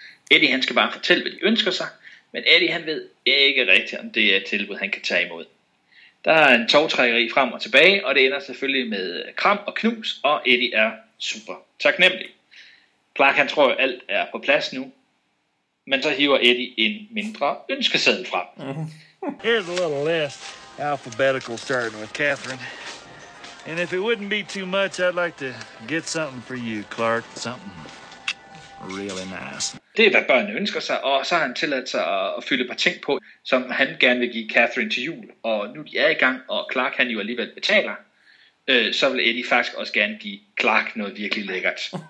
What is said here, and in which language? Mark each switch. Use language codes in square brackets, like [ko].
[da] Eddie, han skal bare fortælle, hvad de ønsker sig, men Eddie, han ved ikke rigtigt, om det er et tilbud, han kan tage imod. Der er en tovtrækkeri frem og tilbage, og det ender selvfølgelig med kram og knus, og Eddie er super taknemmelig. Clark, han tror jo, alt er på plads nu, men så hiver Eddie en mindre ønskeseddel frem. [en] Here's a little list, alphabetical, starting with Catherine. And if it wouldn't be too much, I'd like to get something for you, Clark. Something really nice. [da] Det er, hvad børnene ønsker sig, og så har han tilladt sig at fylde et par ting på, som han gerne vil give Catherine til jul. Og nu de er i gang, og Clark han jo alligevel betaler, så vil Eddie faktisk også gerne give Clark noget virkelig lækkert.